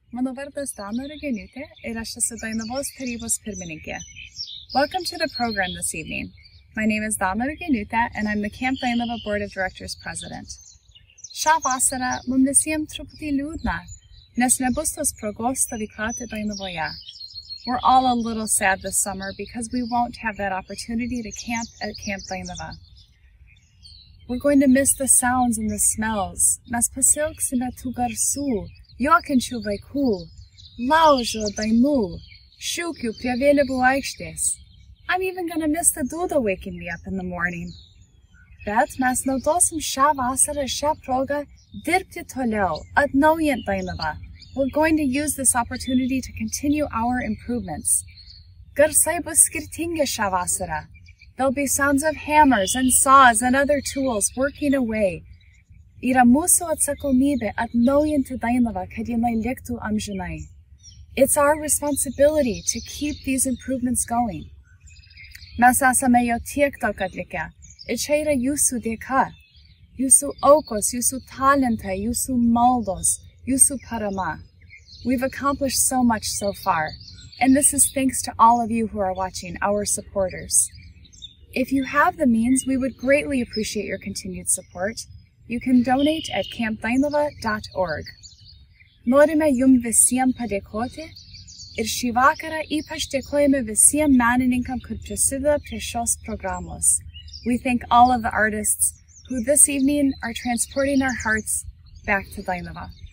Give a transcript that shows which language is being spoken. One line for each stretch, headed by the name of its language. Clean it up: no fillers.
Lithuanian: Mano vardas Dana Reginiutė ir aš esu Dainavos tarybos pirmininkė.
English: Welcome to the program this evening. My name is Dana Reginiutė and I'm the Camp Dainava Board of Directors President.
Lithuanian: Šią vasarą mums visiems truputį liūdna, nes nebus tos progos stovyklauti Dainavoje.
English: We're all a little sad this summer because we won't have that opportunity to camp at Camp Dainava. We're going to miss the sounds and the smells.
Lithuanian: Mes pasilgsime tų garsų, juokinčių vaikų, laužo dainų, šūkių prie vėliavų aikštės.
English: I'm even gonna miss the dūdą waking me up in the morning.
Lithuanian: Bet mes naudosim šią vasarą šią progą dirbti toliau, atnaujant Dainavą.
English: We're going to use this opportunity to continue our improvements.
Lithuanian: Garsai bus skirtingi šią vasarą.
English: There'll be sounds of hammers and saws and other tools working away.
Lithuanian: Yra mūsų atsakomybė atnaujinti Dainavą, kad jinai liktų amžinai.
English: It's our responsibility to keep these improvements going.
Lithuanian: Mes esame jau tiek daug atlikę. Ir čia yra jūsų dėka. Jūsų aukos, jūsų talentai, jūsų maldos, jūsų parama.
English: We've accomplished so much so far. And this is thanks to all of you who are watching, our supporters. If you have the means, we would greatly appreciate your continued support. You can donate at campdainava.org.
Lithuanian: Norime jums visiems padėkoti, ir šį vakarą ypač dėkojame visiems menininkams, kurie prisideda prie šios programos.
English: We thank all of the artists who this evening are transporting our hearts back to Dainava.